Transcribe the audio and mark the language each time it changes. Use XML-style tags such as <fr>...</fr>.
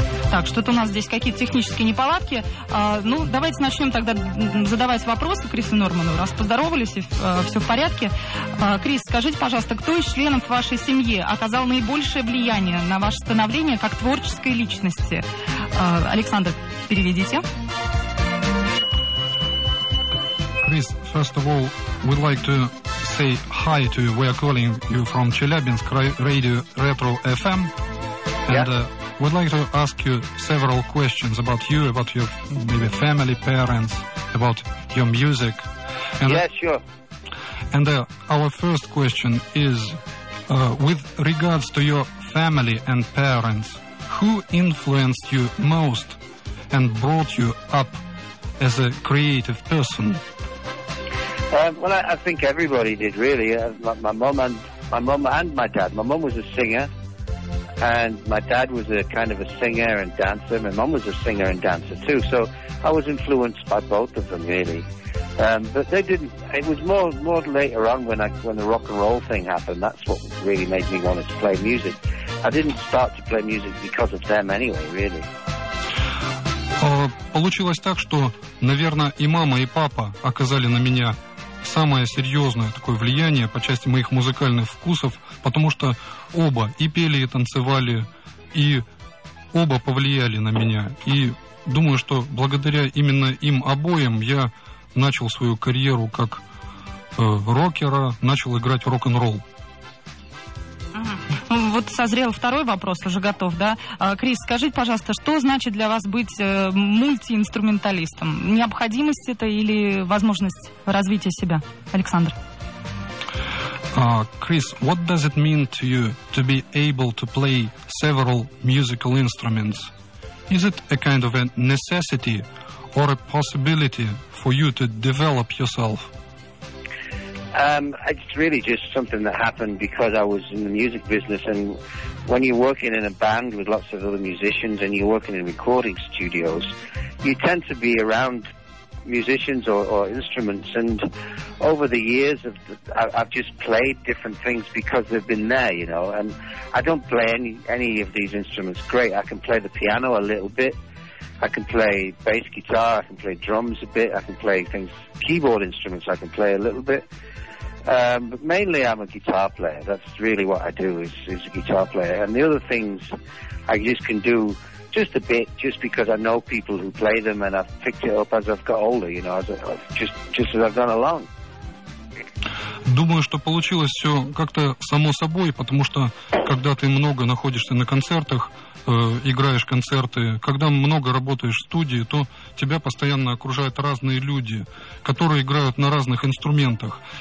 <ru>Так, что-то у нас здесь какие-то технические неполадки. Ну, давайте начнем тогда задавать вопросы Крису Норману, раз поздоровались и все в порядке. Крис, скажите, пожалуйста, кто из членов вашей семьи оказал наибольшее влияние на ваше становление как творческой личности? Александр, переведите.</ru> <en>Крис, first of all, we'd like to say hi to you. We are calling you from Chelyabinsk Radio Retro FM. And, we'd like to ask you several questions about you, about your maybe family, parents, about your music. And yeah, sure. And our first question is, with regards to your family and parents, who influenced you most and brought you up as a creative person? I think everybody did, really. My mom and my dad. My mom was a singer. And my dad was a kind of a singer and dancer. My mom was a singer and dancer too. So I was influenced by both of them, really. But they didn't. It was more later on when the rock and roll thing happened. That's what really made me want to play music. I didn't start to play music because of them anyway, really.</en> <ru>Получилось так, что, наверное, и мама, и папа оказали на меня самое серьезное такое влияние по части моих музыкальных вкусов, потому что оба и пели, и танцевали, и оба повлияли на меня. И думаю, что благодаря именно им обоим я начал свою карьеру как рокера, начал играть рок-н-ролл. Ну, вот созрел второй вопрос, уже готов, да? Крис, скажите, пожалуйста, что значит для вас быть мультиинструменталистом? Необходимость это или возможность развития себя? Александр.</ru> <en>Крис, what does it mean to you to be able to play several musical instruments? Is it a kind of a necessity or a possibility for you to develop yourself? It's really just something that happened because I was in the music business, and when you're working in a band with lots of other musicians and you're working in recording studios, you tend to be around musicians or instruments, and over the years I've just played different things because they've been there, you know, and I don't play any of these instruments great. I can play the piano a little bit, I can play bass guitar, I can play drums a bit, I can play things, keyboard instruments I can play a little bit. But mainly I'm a guitar player. That's really what I do, is a guitar player. And the other things I just can do just a bit, just because I know people who play them and I've picked it up as I've got older, you know, just as I've gone along.</en> <ru>Думаю, что получилось все как-то само собой, потому что когда ты много находишься на концертах, играешь концерты, когда много работаешь в студии, то тебя постоянно окружают разные люди, которые играют на разных инструментах.</ru>